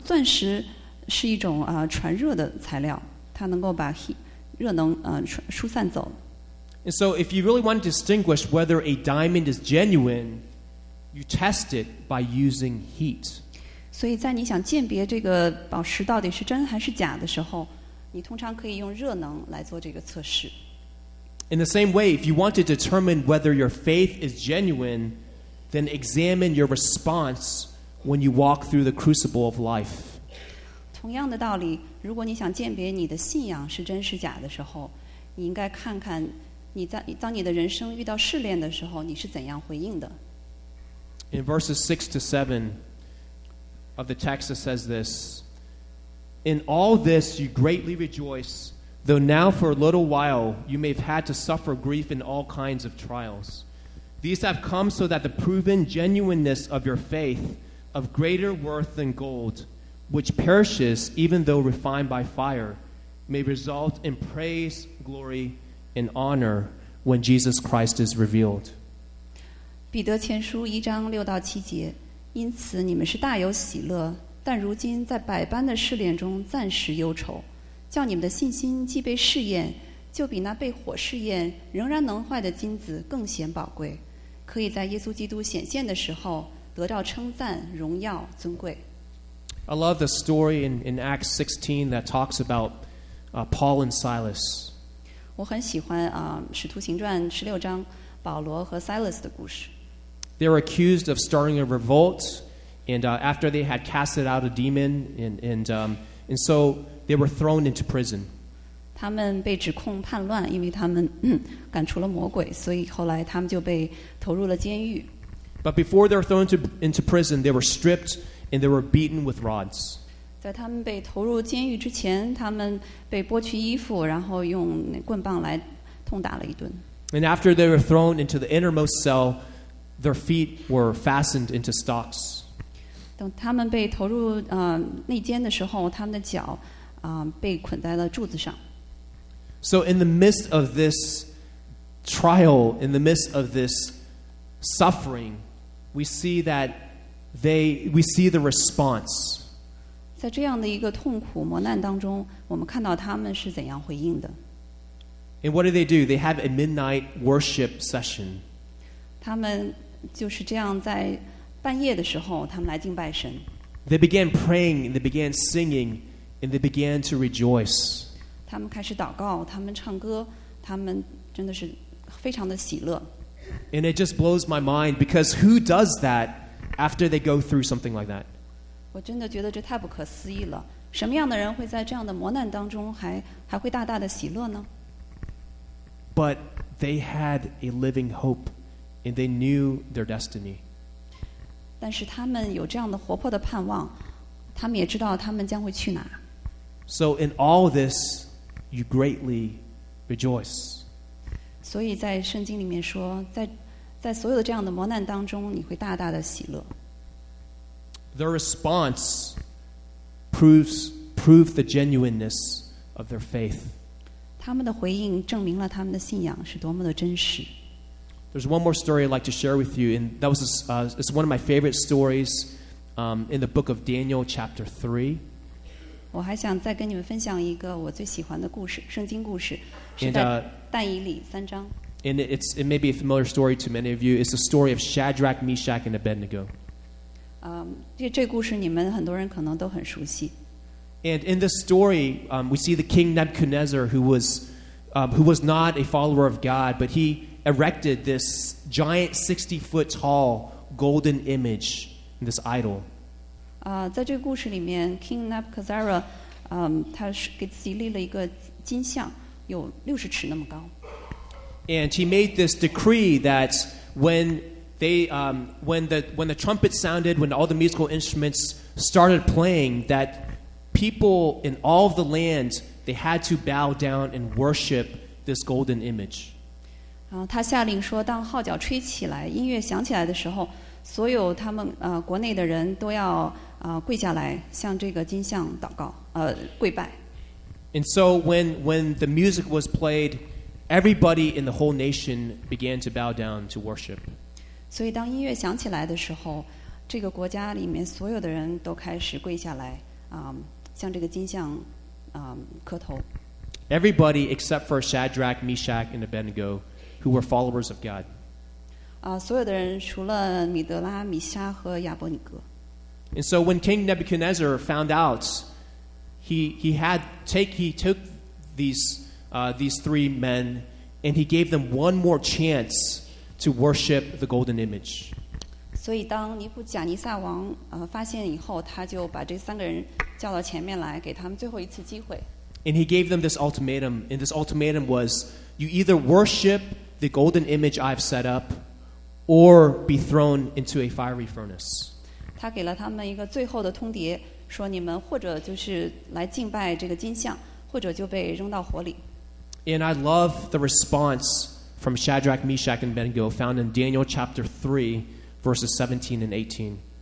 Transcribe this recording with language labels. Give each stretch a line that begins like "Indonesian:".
Chinese: 钻石是一种传热的材料，它能够把热能疏散走。
English: And so if you really want to distinguish whether a diamond is genuine, you test it by using heat.
Chinese: 所以在你想鉴别这个宝石到底是真还是假的时候，你通常可以用热能来做这个测试。
English: In the same way, if you want to determine whether your faith is genuine, then examine your response when you walk through the crucible of life.
Chinese: 同样的道理，如果你想鉴别你的信仰是真是假的时候，你应该看看你在当你的人生遇到试炼的时候，你是怎样回应的。
English: In verses 6-7 of the text, it says this: In all this you greatly rejoice, though now for a little while you may have had to suffer grief in all kinds of trials. These have come so that the proven genuineness of your faith, of greater worth than gold, which perishes even though refined by fire, may result in praise, glory, and honor when Jesus Christ is revealed.
Chinese: 彼得前书一章六到七节，因此你们是大有喜乐，但如今在百般的试炼中暂时忧愁，叫你们的信心既被试验，就比那被火试验仍然能坏的金子更显宝贵，可以在耶稣基督显现的时候得到称赞、荣耀、尊贵。
English: I love the story in Acts 16 that talks about Paul and Silas.
Chinese: 我很喜欢使徒行传十六章保罗和 Silas 的故事。
English: They were accused of starting a revolt, and after they had casted out a demon, and so they were thrown into prison.
Chinese: 他们被指控叛乱，因为他们赶出了魔鬼，所以后来他们就被投入了监狱。
English: But before they were thrown into prison, they were stripped and they were beaten with rods.
Chinese: 在他们被投入监狱之前，他们被剥去衣服，然后用棍棒来痛打了一顿。
English: And after they were thrown into the innermost cell, their feet were fastened into stocks.
Chinese: 等他们被投入内监的时候，他们的脚被捆在了柱子上。
English: So in the midst of this trial, in the midst of this suffering, we see the response.
Chinese: 在这样的一个痛苦磨难当中，我们看到他们是怎样回应的。
English: And what do? They have a midnight worship session.
Chinese: 他们就是这样在半夜的时候，他们来敬拜神。
English: They began praying, and they began singing, and they began to rejoice.
Chinese: 他们开始祷告，他们唱歌，他们真的是非常的喜乐。
English: And it just blows my mind, because who does that after they go through something like that?
Chinese: 我真的觉得这太不可思议了。什么样的人会在这样的磨难当中还会大大的喜乐呢？
English: But they had a living hope, and they knew their destiny.
Chinese: 但是他们有这样的活泼的盼望，他们也知道他们将会去哪。
English: So in all this, you greatly rejoice.
Chinese: 所以在圣经里面说，在所有的这样的磨难当中，你会大大的喜乐。
English: Their response proves the genuineness of their faith.
Chinese: 他们的回应证明了他们的信仰是多么的真实。
English: There's one more story I'd like to share with you, and that was it's one of my favorite stories, in the book of Daniel, chapter 3.
Chinese: 我还想再跟你们分享一个我最喜欢的故事，圣经故事，是在但以理三章。
English: And it may be a familiar story to many of you. It's the story of Shadrach, Meshach, and Abednego.
Chinese: 这故事你们很多人可能都很熟悉。
English: And in this story, we see the king Nebuchadnezzar, who was not a follower of God, but he erected this giant 60-foot-tall golden image, this idol.
Chinese: 在这个故事里面 King Nebuchadnezzar 他给自己立了一个金像有六十尺那么高。
English: And he made this decree that when the trumpet sounded, when all the musical instruments started playing, that people in all of the land, they had to bow down and worship this golden image.
Chinese: 他下令说当号角吹起来音乐响起来的时候所有他们国内的人都要跪下来向这个金像祷告跪拜。
English: And so when the music was played, everybody in the whole nation began to bow down to worship.
Chinese: 所以当音乐响起来的时候这个国家里面所有的人都开始跪下来向这个金像磕头。
English: Everybody except for Shadrach, Meshach, and Abednego, who were followers of God.
Chinese: 所有的人除了米德拉、米沙和亚伯尼哥。
English: And so when King Nebuchadnezzar found out, he took these three men and he gave them one more chance to worship the golden image.
Chinese: 所以当尼布甲尼撒王发现以后，他就把这三个人叫到前面来，给他们最后一次机会。
English: And he gave them this ultimatum, and this ultimatum was, you either worship the golden image I've set up. Or be thrown into a fiery furnace.
Chinese: 他给了他们一个最后的通牒，说你们或者就是来敬拜这个金像，或者就被扔到火里。
English: And I love the response from Shadrach, Meshach, and Abednego found in Daniel chapter 3, verses 17 and 18.